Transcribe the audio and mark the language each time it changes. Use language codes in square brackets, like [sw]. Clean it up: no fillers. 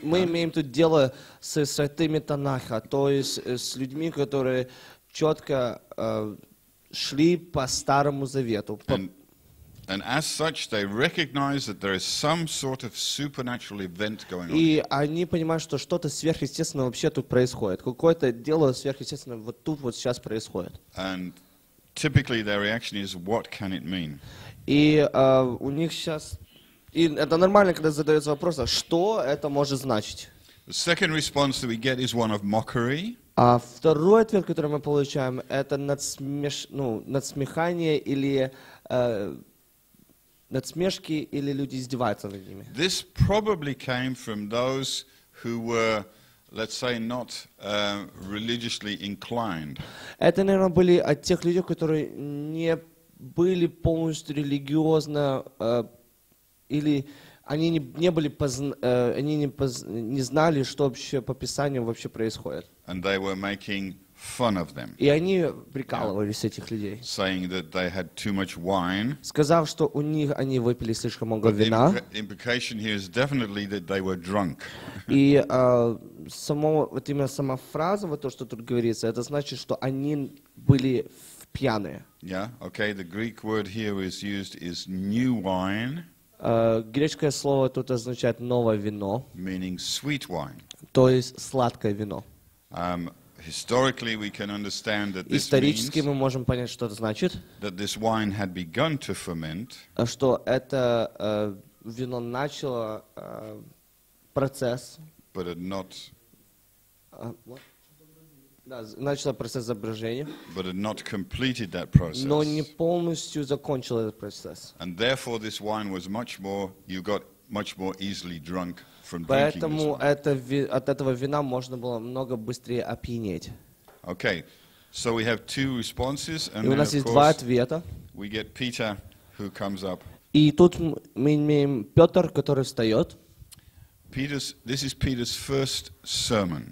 [ru] Мы имеем тут дело со святыми Танаха, то есть с людьми, которые четко шли по Старому Завету. [en] And as such, they recognize that there is some sort of supernatural event going on. [ru] И они понимают, что что-то сверхъестественное вообще тут происходит. Какое-то дело сверхъестественное вот тут вот сейчас происходит. [en] And typically their reaction is, what can it mean? [ru] И у них сейчас... И это нормально, когда задается вопрос, а что это может значить? [en] The second response that we get is one of mockery. [ru] А второй ответ, который мы получаем, это надсмехание или надсмешки, или люди издеваются над ними. [en] This probably came from those who were, let's say, not religiously inclined. [ru] Это, наверное, были от тех людей, которые не... были полностью религиозно или они не были они не знали, что вообще по Писанию вообще происходит. [en] And they were making fun of them. [ru] И они прикалывались с этих людей. [en] Saying that they had too much wine. [ru] Сказав, что у них они выпили слишком много вина. [en] The implication here is definitely that they were drunk. [ru] И само вот именно сама фраза вот то, что тут говорится, это значит, что они были пьяные. [en] Yeah, okay, the Greek word here is used is new wine. [ru] Греческое слово тут означает новое вино. [en] Meaning sweet wine. [ru] То есть сладкое вино. [en] Historically we can understand that [ru] исторически [en] this means, [ru] мы можем понять, что это значит. [en] That this wine had begun to ferment. [ru] Что это вино начало процесс. [en] But it not... [ru] Да, начало процесс заброжения. [en] But it not completed that process. [ru] Но не полностью закончил этот процесс. [en] And therefore this wine was much more, you got much more easily drunk from [ru] Поэтому Поэтому от этого вина можно было много быстрее опьянеть. [en] Okay, so we have two responses, and [ru] у нас [en] then, [ru] есть [en] of course, [ru] два ответа. [en] We get Peter, who comes up. [ru] И тут мы имеем Петр, который встает. [en] This is Peter's first sermon.